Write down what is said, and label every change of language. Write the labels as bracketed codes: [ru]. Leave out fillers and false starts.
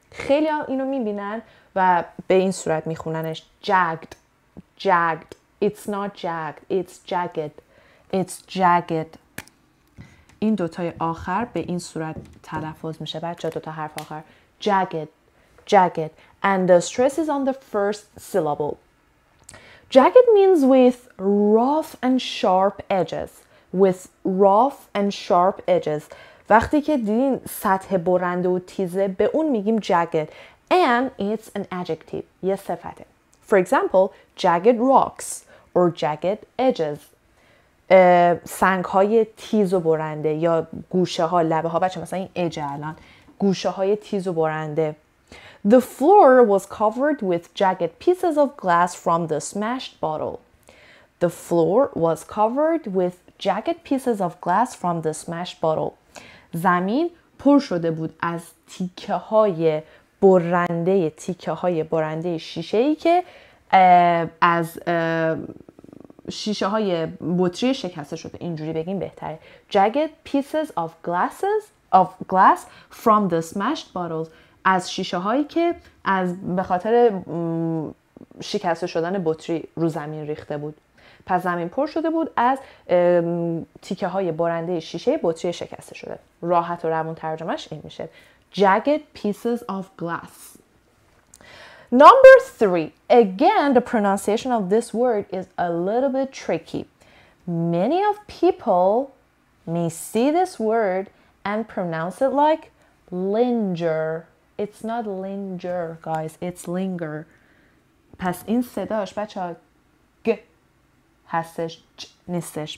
[fa] خیلی ها اینو میبینن و به این صورت میخوننش. [en] Jagged. Jagged. It's not jagged. It's jagged. It's jagged. [fa] این دوتای آخر به این صورت تلفظ میشه بچه، دوتا حرف آخر. [en] Jagged. Jagged. And the stress is on the first syllable. Jagged means with rough and sharp edges. With rough and sharp edges. [fa] وقتی که دیدین سطح برنده و تیزه به اون میگیم jagged. [en] And it's an adjective. [fa] یه صفته. [en] For example, jagged rocks or jagged edges. [fa] سنگ های تیز و برنده یا گوشه ها، لبه ها. بچه مثلا این اجه الان گوشه های تیز و برنده. [en] The floor was covered with jagged pieces of glass from the smashed bottle. The floor was covered with jagged pieces of glass from the smashed bottle. [fa] زمین پر شده بود از تیکه های برنده، تیکه های برنده شیشه ای که از شیشه های بطری شکسته شده. اینجوری بگیم بهتره. Jagged pieces of glasses of glass from the smashed bottles. از شیشه هایی که از به خاطر شکسته شدن بطری رو زمین ریخته بود. پس زمین پر شده بود از تیکه های برنده شیشه بطری شکسته شده. راحت و روان ترجمهش این میشه. [en] Jagged pieces of glass. Number three. Again, the pronunciation of this word is a little bit tricky. Many of people may see this word and pronounce it like linger. It's not linger, guys. It's linger. [fa] پس این صداش بچه ها گ هستش، چ نیستش.